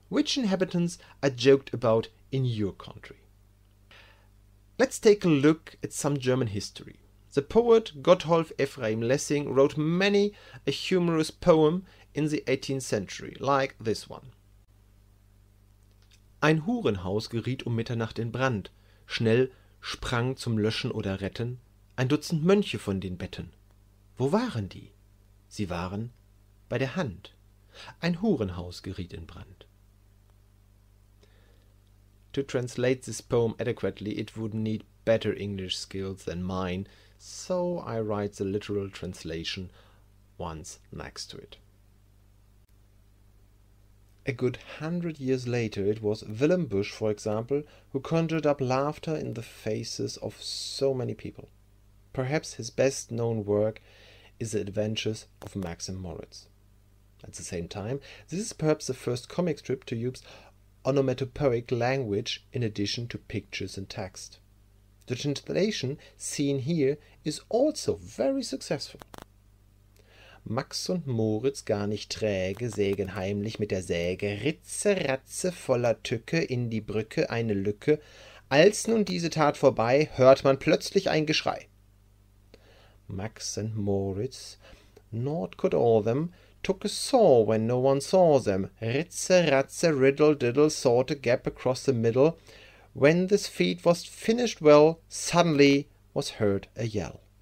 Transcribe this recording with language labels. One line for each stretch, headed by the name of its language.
English: Which inhabitants are joked about in your country? Let's take a look at some German history. The poet Gotthold Ephraim Lessing wrote many a humorous poem in the 18th century, like this one.
German: Ein Hurenhaus geriet um Mitternacht in Brand. Schnell sprang zum Löschen oder Retten ein Dutzend Mönche von den Betten. Wo waren die? Sie waren bei der Hand. Ein Hurenhaus geriet in Brand.
English: To translate this poem adequately, it would need better English skills than mine, so I write the literal translation once next to it. A good 100 years later, it was Willem Busch, for example, who conjured up laughter in the faces of so many people. Perhaps his best-known work is The Adventures of Max and Moritz. At the same time, this is perhaps the first comic strip to use onomatopoeic language in addition to pictures and text. The translation seen here is also very successful.
German: Max und Moritz gar nicht träge, sägen heimlich mit der Säge, Ritze, Ratze, voller Tücke, in die Brücke eine Lücke. Als nun diese Tat vorbei, hört man plötzlich ein Geschrei.
English: Max and Moritz, naught could awe them, took a saw when no one saw them, Ritze, Ratze, riddle, diddle, sought a gap across the middle. When this feat was finished well, suddenly was heard a yell.